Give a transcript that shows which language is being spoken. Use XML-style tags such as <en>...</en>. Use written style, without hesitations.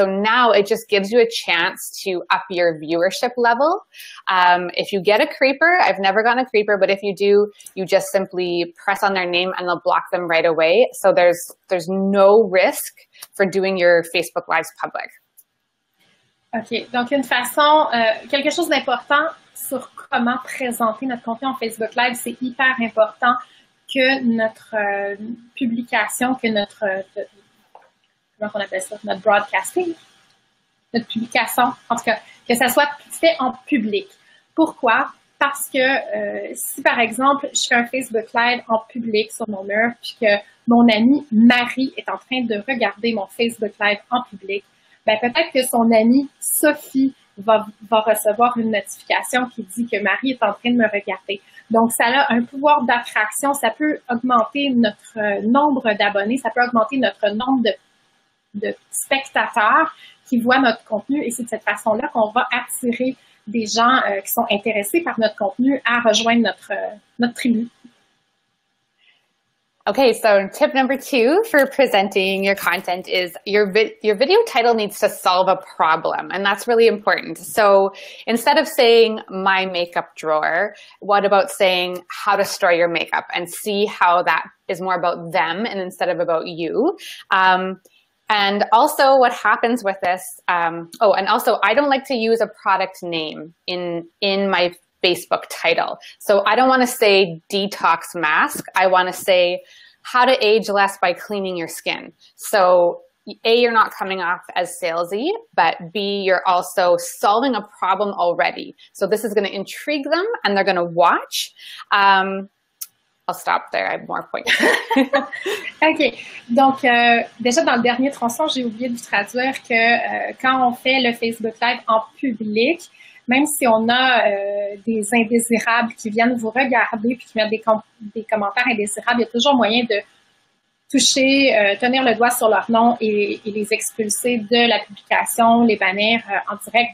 <en>So now it just gives you a chance to up your viewership level. If you get a creeper, I've never gotten a creeper, but if you do, you just simply press on their name and they'll block them right away. So there's no risk for doing your Facebook lives public. OK.</en> <fr>Donc, une façon, quelque chose d'important sur comment présenter notre contenu en Facebook Live, c'est hyper important que notre publication, que notre, comment on appelle ça, notre broadcasting, notre publication, en tout cas, que ça soit fait en public. Pourquoi? Parce que si, par exemple, je fais un Facebook Live en public sur mon mur, puis que mon amie Marie est en train de regarder mon Facebook Live en public, ben peut-être que son amie Sophie va recevoir une notification qui dit que Marie est en train de me regarder. Donc, ça a un pouvoir d'attraction. Ça peut augmenter notre nombre d'abonnés. Ça peut augmenter notre nombre de spectateurs qui voient notre contenu. Et c'est de cette façon-là qu'on va attirer des gens qui sont intéressés par notre contenu à rejoindre notre tribu.</fr> <en>Okay, so tip number two for presenting your content is your video title needs to solve a problem, and that's really important. So instead of saying my makeup drawer, what about saying how to store your makeup and see how that is more about them and instead of about you? And also what happens with this, I don't like to use a product name in my Facebook title. So I don't want to say detox mask. I want to say how to age less by cleaning your skin. So A, you're not coming off as salesy, but B, you're also solving a problem already. So this is going to intrigue them and they're going to watch. I'll stop there. I have more points. OK.</en> <fr>Donc, déjà dans le dernier tronçon, j'ai oublié de vous traduire que quand on fait le Facebook Live en public, même si on a des indésirables qui viennent vous regarder puis qui mettent des commentaires indésirables, il y a toujours moyen de toucher, tenir le doigt sur leur nom et les expulser de la publication, les bannir en direct.</fr>